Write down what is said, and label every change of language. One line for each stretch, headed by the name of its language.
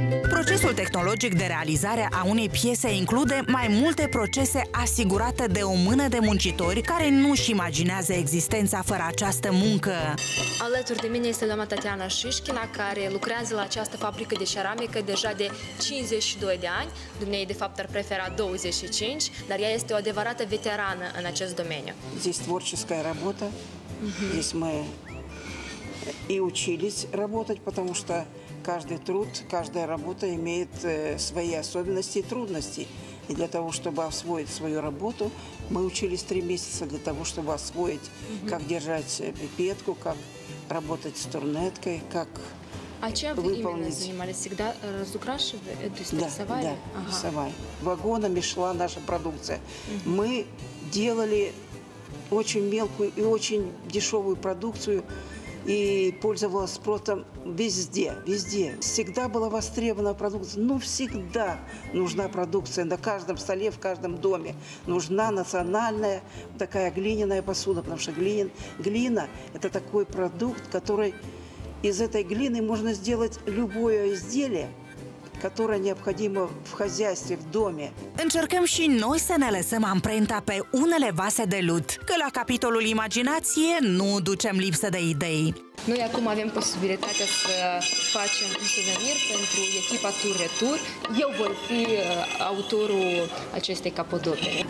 Romanian: Procesul tehnologic de realizare a unei piese include mai multe procese asigurate de o mână de muncitori care nu-și imaginează existența fără această muncă. Alături de mine este doamna Tatiana Șișchina, care lucrează la această fabrică de ceramică deja de 52 de ani. Dumnezeu, de fapt, ar prefera 25, dar ea este o adevărată veterană în acest domeniu. Este
Russian: творческа работа. Здесь мы и учились работать, потому что каждый труд, каждая работа имеет свои особенности и трудности. И для того, чтобы освоить свою работу, мы учились 3 месяца для того, чтобы освоить, как держать пипетку, как работать с турнеткой, как выполнить. А чем вы именно занимались? Всегда разукрашивали? Рисовали. Вагонами шла наша продукция. Мы делали очень мелкую и очень дешевую продукцию, и пользовалась спросом везде, везде. Всегда была востребована продукция. Ну, всегда нужна продукция. На каждом столе, в каждом доме нужна национальная такая глиняная посуда, потому что глина – это такой продукт, который из этой глины можно сделать любое изделие, которая необходима в хозяйстве, в доме.
Romanian: Încercăm și noi să ne lăsăm amprenta pe unele vase de lut, că la capitolul imaginație nu ducem lipsă de idei. Noi acum avem posibilitatea să facem un suvenir pentru echipa Tour Retour. Eu voi fi autorul acestei capodopere.